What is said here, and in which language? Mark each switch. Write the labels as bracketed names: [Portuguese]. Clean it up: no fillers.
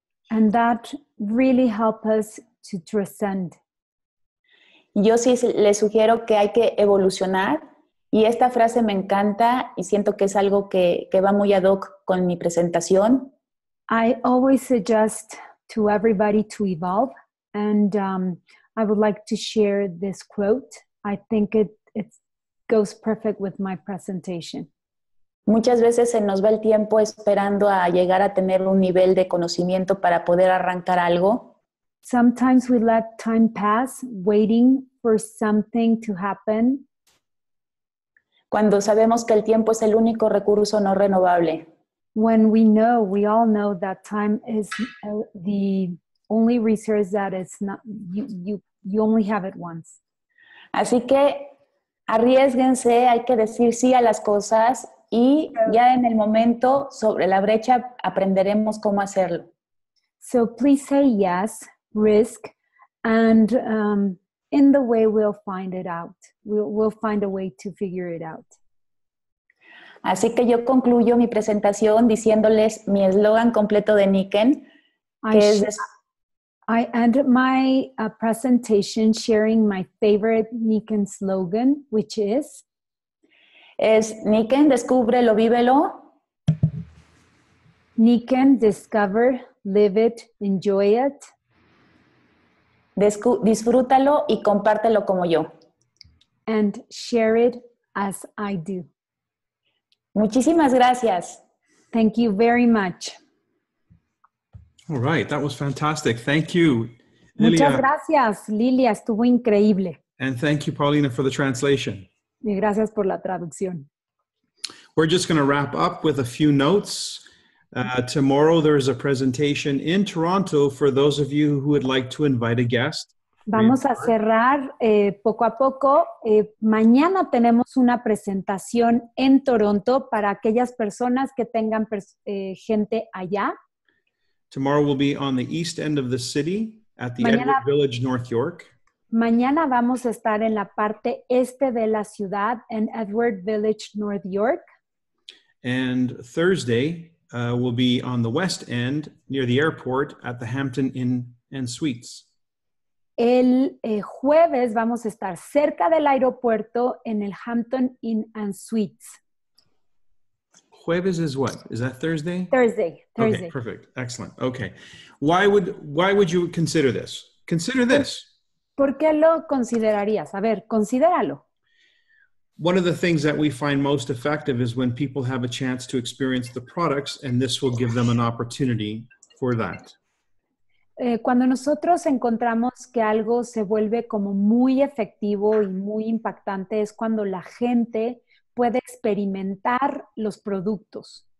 [English] And that really helps us to transcend. [Spanish] Yo sí le sugiero que hay que evolucionar. Y esta frase me encanta y siento que es algo que va muy ad hoc con mi presentación. [English] I always suggest to everybody to evolve. And I would like to share this quote. I think it goes perfect with my presentation. [Spanish] Muchas veces se nos va el tiempo esperando a llegar a tener un nivel de conocimiento para poder arrancar algo. [English] Sometimes we let time pass waiting for something to happen. [Spanish] Cuando sabemos que el tiempo es el único recurso no renovable. [English] When we know, we all know that time is the only resource that is not, you only have it once. [Spanish] Así que arriésguense, hay que decir sí a las cosas y ya en el momento sobre la brecha aprenderemos cómo hacerlo. [English] So please say yes, risk, and in the way we'll find it out. We'll find a way to figure it out. [Spanish] Así que yo concluyo mi presentación diciéndoles mi eslogan completo de Nikken. [English] I end my presentation sharing my favorite Nikken slogan, which is... [Spanish] Es Nikken, descúbrelo, vívelo. [English] Nikken, discover, live it, enjoy it. [Spanish] Disfrútalo y compártelo como yo. [English] And share it as I do. [Spanish] Muchísimas gracias. [English] Thank you very much. All right, that was fantastic. Thank you, [Spanish] Lilia. Muchas gracias, Lilia. Estuvo increíble. [English] And thank you, Paulina, for the translation. [Spanish] Y gracias por la traducción. [English] We're just going to wrap up with a few notes. Tomorrow there is a presentation in Toronto for those of you who would like to invite a guest. [Spanish] Vamos a cerrar poco a poco. Mañana tenemos una presentación en Toronto para aquellas personas que tengan gente allá. [English] Tomorrow will be on the east end of the city at the Edward Village, North York. [Spanish] Mañana vamos a estar en la parte este de la ciudad, en Edward Village, North York. [English] And Thursday will be on the west end near the airport at the Hampton Inn and Suites. [Spanish] El jueves vamos a estar cerca del aeropuerto en el Hampton Inn and Suites. [English] Jueves is what? Is that Thursday? Thursday. Okay, perfect. Excellent. Okay. Why would you consider this? Consider this. [Spanish] ¿Por qué lo considerarías? A ver, considéralo. [English] One of the things that we find most effective is when people have a chance to experience the products, and this will give them an opportunity for that. [Spanish] Cuando nosotros encontramos que algo se vuelve como muy efectivo y muy impactante es cuando la gente puede experimentar los productos.